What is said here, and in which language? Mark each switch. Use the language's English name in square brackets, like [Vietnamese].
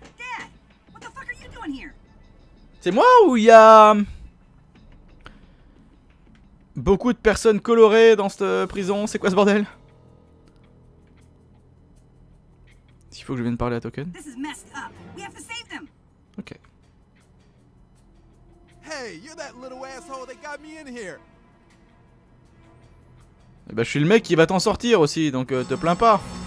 [English] Dad, what the fuck are you doing here? [French] C'est moi ou il y a beaucoup de personnes colorées dans cette prison, c'est quoi ce bordel? Il faut que je vienne parler à Token. Ok. [English] Hey, you're that little asshole that got me in here. [French] Et bah, je suis le mec qui va t'en sortir aussi, donc te plains pas.